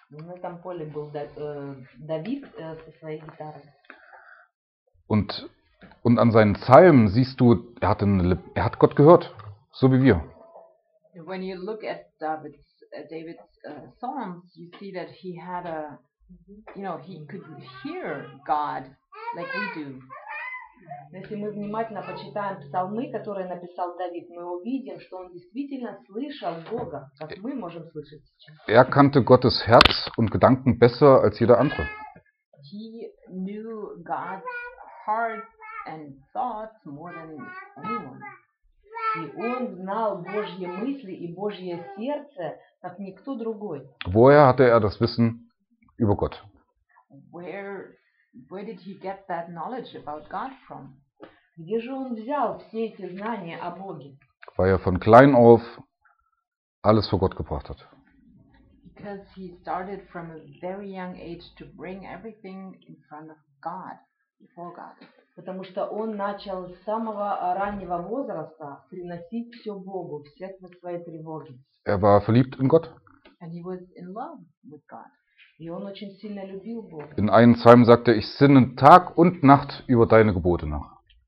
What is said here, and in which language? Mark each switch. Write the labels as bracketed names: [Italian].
[German] Und [Russian] на этом поле был Давид со своей гитарой. [German] Und an seinen Psalmen siehst du, er hat Gott gehört, so wie wir. [English] When you look at David's Psalms, you see that he had a, you know, he could hear God like we do. [Russian] Если мы внимательно почитаем псалмы, которые написал Давид, мы увидим, что он действительно слышал Бога, как мы можем слышать сейчас. [German] Er kannte Gottes Herz und Gedanken besser als jeder andere. [English] He knew God's heart and thoughts more than anyone. [Russian] И он знал Божьи мысли и Божье сердце, как никто другой. [German] Woher hatte er das Wissen über Gott? [English] Where did he get that knowledge about God from? [Russian] Где же он взял все эти знания о Боге? [German] Weil er von klein auf alles vor Gott gebracht hat. [English] Because he started from a very young age to bring everything in front of God. [Russian] Потому что он начал с самого раннего возраста приносить все Богу, все свои тревоги. [German] Er war verliebt in Gott. [English] And he was in love with God. [Russian] И он очень сильно любил Бога. [German] In einem Psalm sagte er, ich sinne Tag und Nacht über deine Gebote nach.